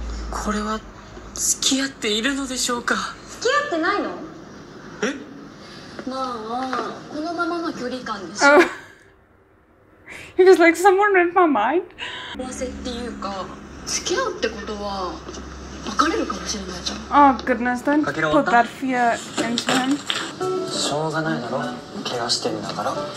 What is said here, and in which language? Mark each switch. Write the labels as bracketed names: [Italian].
[Japanese] これは付き合っているのでしょうか？付き合ってないの？え？まあ、このままの距離感でしょ。 [English] He was like, someone read my mind. [Japanese] 合わせっていうか、付き合うってことは別れるかもしれないじゃん。 [English] Oh, goodness, don't put that fear into him. [Japanese] しょうがないだろ、怪我してるんだから。